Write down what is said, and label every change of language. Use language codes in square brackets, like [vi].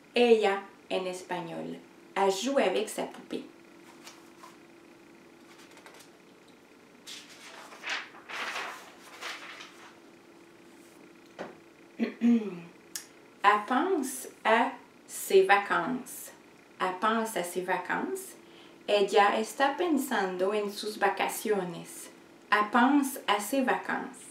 [es] Ella en español. [fr] Elle joue avec sa poupée. Elle pense à ses vacances. Elle pense à ses vacances. [es] Ella está pensando en sus vacaciones. [fr] Elle pense à ses vacances.